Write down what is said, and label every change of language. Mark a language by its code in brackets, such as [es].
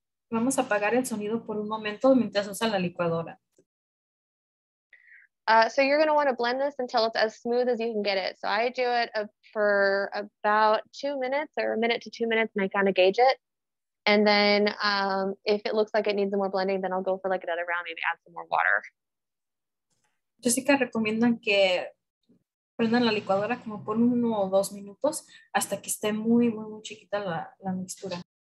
[es] vamos a apagar el sonido por un momento mientras usa la licuadora. [en] So you're going to want to blend this until it's as smooth as you can get it. So I do it for about 2 minutes or a minute to 2 minutes, and I kind of gauge it. And then if it looks like it needs more blending, then I'll go for like another round, maybe add some more water. [es] Jessica, recomiendan que prendan la licuadora como por 1 o 2 minutos hasta que esté muy, muy, muy chiquita la mixtura.